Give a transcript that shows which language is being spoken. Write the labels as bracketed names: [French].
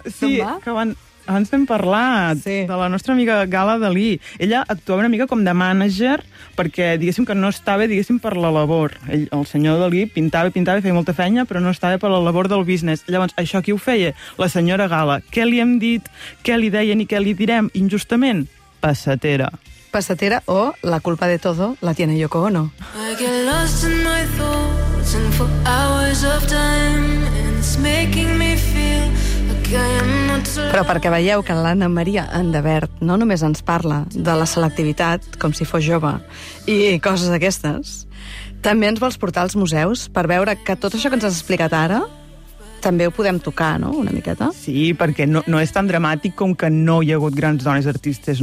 [Catalan] Sí, que abans vam parlar de la nostra amiga Gala Dalí. Ella actuava una mica com de mànager perquè, diguéssim, que no estava, diguéssim, per la labor. Ell, el senyor Dalí, pintava, feia molta feina, però no estava per la labor del business. Llavors, això qui ho feia? La senyora Gala. Què li hem dit, què li deien i què li direm injustament? Passatera. Passatera o [Spanish] la culpa de todo la tiene Yoko Ono. [English] I get lost in my thoughts and for hours of time and it's making me feel like I am not so... [Catalan] Però perquè veieu que l'Anna Maria Endevert no només ens parla de la selectivitat com si fos jove i coses d'aquestes, també ens vols portar als museus per veure que tot això que ens has explicat ara també ho podem tocar, no?, una miqueta. Sí, perquè no és tan dramàtic com que no hi ha hagut grans dones artistes.